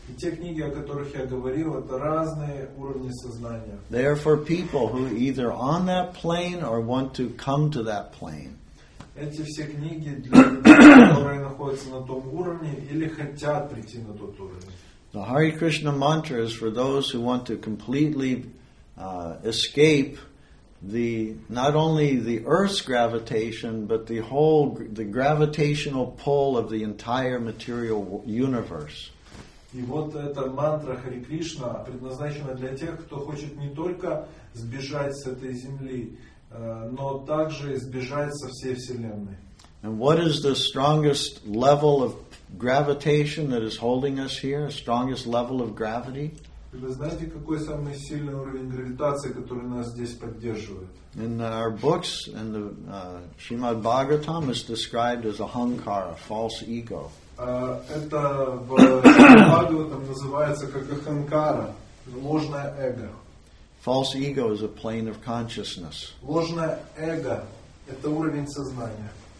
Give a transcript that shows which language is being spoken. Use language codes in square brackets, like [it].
[ru] Те книги, о которых я говорил, это разные уровни сознания. [en] They are for people who are either on that plane or want to come to that plane. [ru] Эти все книги для людей, которые находятся на том уровне или хотят прийти на тот уровень. [en] The Hare Krishna mantra is for those who want to completely escape the not only the Earth's gravitation, but the whole the gravitational pull of the entire material universe. [ru] И вот эта мантра Хари Кришна предназначена для тех, кто хочет не только сбежать с этой земли, но также сбежать со всей вселенной. [en] And what is the strongest level of gravitation that is holding us here? Strongest level of gravity? [ru] Вы знаете, какой самый сильный уровень гравитации, который нас здесь поддерживает? [en] In our books, in the Srimad Bhagavatam is described as ahankara, false ego. [ru] Это в Шримад Бхагаватам называется как аханкара, ложное эго. [en] False ego is a plane of consciousness. [ru] Ложное эго — это уровень сознания.